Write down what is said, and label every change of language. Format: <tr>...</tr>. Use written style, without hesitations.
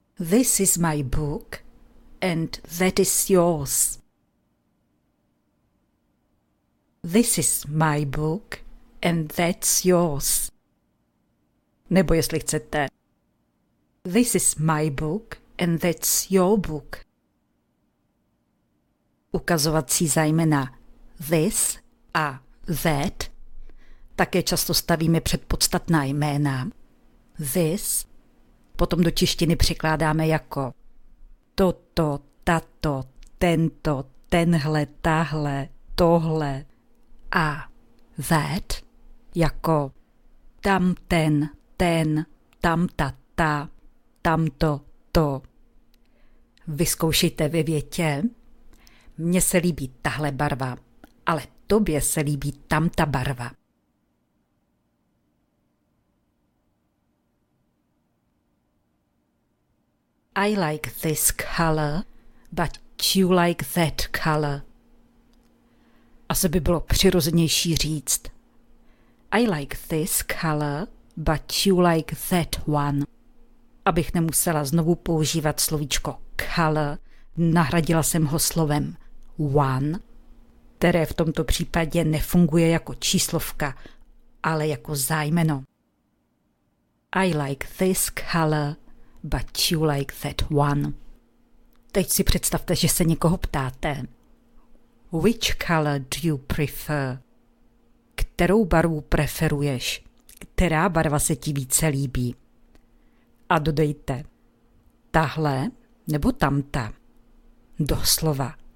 <en>This is my book and that is yours. This is my book and that's yours.</en> <cs>Nebo jestli chcete.</cs> <en>This is my book and that's your book.</en> <cs>Ukazovací zájmena this a that také často stavíme před podstatná jména. This potom do češtiny překládáme jako toto, tato, tento, tenhle, tahle, tohle a that jako tamten, ten, tamta, ta, tamto, to. Vyzkoušejte ve větě. Mně se líbí tahle barva, ale tobě se líbí tamta barva.</cs> <en>I like this color, but you like that color.</en> <cs>Asi by bylo přirozenější říct.</cs> <en>I like this color, but you like that one.</en> <cs>Abych nemusela znovu používat slovíčko color, nahradila jsem ho slovem one, které v tomto případě nefunguje jako číslovka, ale jako zájmeno.</cs> <en>I like this color, but you like that one.</en> <cs>Teď si představte, že se někoho ptáte.</cs> <en>Which color do you prefer?</en> <cs>Kterou barvu preferuješ? Která barva se ti více líbí? A dodejte. Tahle nebo tamta? Doslova.</cs>